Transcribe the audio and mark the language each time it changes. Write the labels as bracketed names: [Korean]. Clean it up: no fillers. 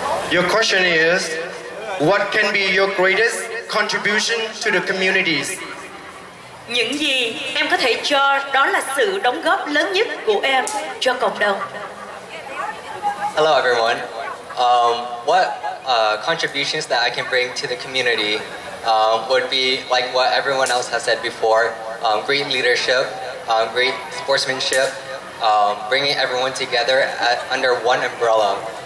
[English] Your question is, what can be your greatest contribution to the communities? [Vietnamese] Những gì em có thể cho đó là sự đóng góp lớn nhất của em cho cộng đồng. [English] Hello everyone. What contributions that I can bring to the community would be like what everyone else has said before, great leadership, great sportsmanship, bringing everyone together under one umbrella.